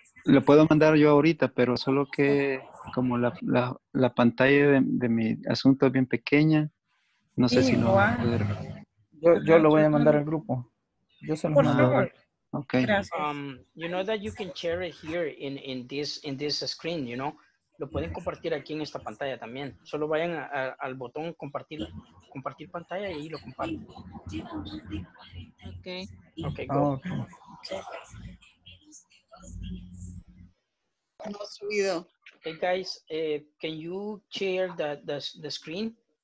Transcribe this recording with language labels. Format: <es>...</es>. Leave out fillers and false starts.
<es>Lo puedo mandar yo ahorita, pero solo que como la pantalla de mi asunto es bien pequeña, no sé si lo voy a poder. Yo lo voy a mandar al grupo. Yo se lo mando. Favor. Okay.</es> <en>You know that you can share it here in this screen, you know.</en> <es>Lo pueden compartir aquí en esta pantalla también. Solo vayan al botón compartir pantalla y lo comparten. Okay.</es> <en>Okay, go. Okay.</en> <es>No subido.</es> <en>Hey guys, can you share the screen?</en>